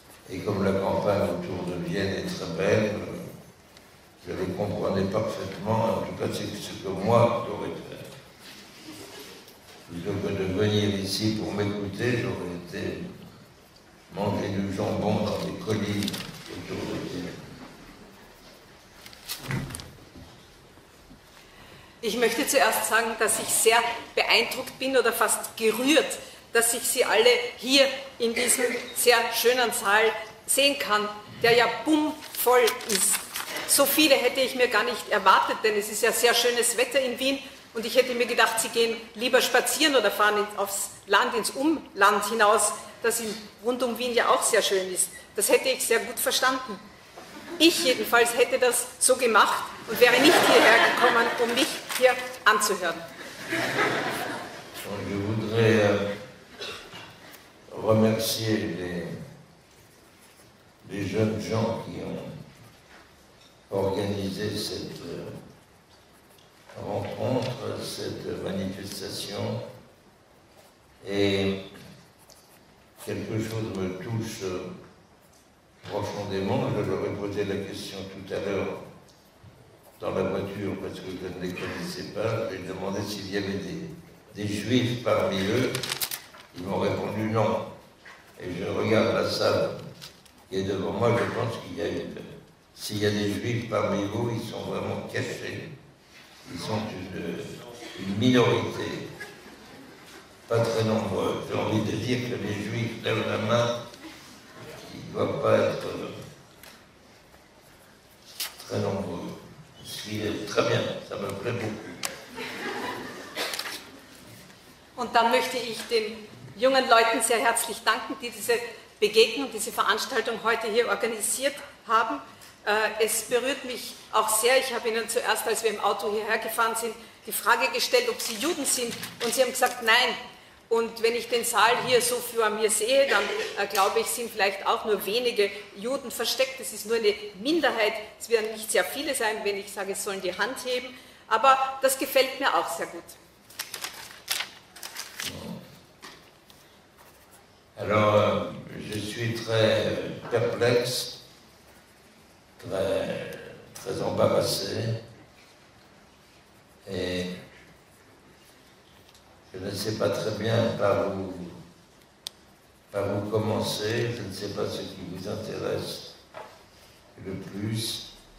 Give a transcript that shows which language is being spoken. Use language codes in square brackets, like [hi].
[fr] Et comme la campagne autour de Vienne est très belle, je les comprenais parfaitement, en tout cas c'est ce que moi j'aurais fait. Plutôt que de venir ici pour m'écouter, j'aurais été manger du jambon dans des collines autour de Vienne. [de] Ich möchte zuerst sagen, dass ich sehr beeindruckt bin oder fast gerührt, dass ich Sie alle hier in diesem sehr schönen Saal sehen kann, der ja bummvoll ist. So viele hätte ich mir gar nicht erwartet, denn es ist ja sehr schönes Wetter in Wien und ich hätte mir gedacht, Sie gehen lieber spazieren oder fahren aufs Land, ins Umland hinaus, das in, rund um Wien ja auch sehr schön ist. Das hätte ich sehr gut verstanden. Ich jedenfalls hätte das so gemacht und wäre nicht hierher gekommen, um mich hier anzuhören. [fr] Je voudrais remercier les jeunes gens qui ont organisé cette rencontre, cette manifestation. Et quelque chose me touche profondément. Je leur ai posé la question tout à l'heure dans la voiture parce que je ne les connaissais pas. J'ai demandé s'il y avait des juifs parmi eux. Ils m'ont répondu non. Et je regarde la salle qui est devant moi, je pense qu'il y a une... S'il y a des juifs parmi vous, ils sont vraiment cachés. Ils sont une minorité, pas très nombreux. J'ai envie de dire que les juifs lèvent la main, ils ne doivent pas être très nombreux. Ce qui est très bien, ça me plaît beaucoup. [de] Und dann möchte ich den jungen Leuten sehr herzlich danken, die diese Begegnung, diese Veranstaltung heute hier organisiert haben. Es berührt mich auch sehr. Ich habe Ihnen zuerst, als wir im Auto hierher gefahren sind, die Frage gestellt, ob Sie Juden sind. Und Sie haben gesagt, nein. Und wenn ich den Saal hier so vor mir sehe, dann glaube ich, sind vielleicht auch nur wenige Juden versteckt. Es ist nur eine Minderheit. Es werden nicht sehr viele sein, wenn ich sage, es sollen die Hand heben. Aber das gefällt mir auch sehr gut. [fr] Alors, je suis très perplexe, très, très embarrassé, et je ne sais pas très bien par où commencer, je ne sais pas ce qui vous intéresse le plus.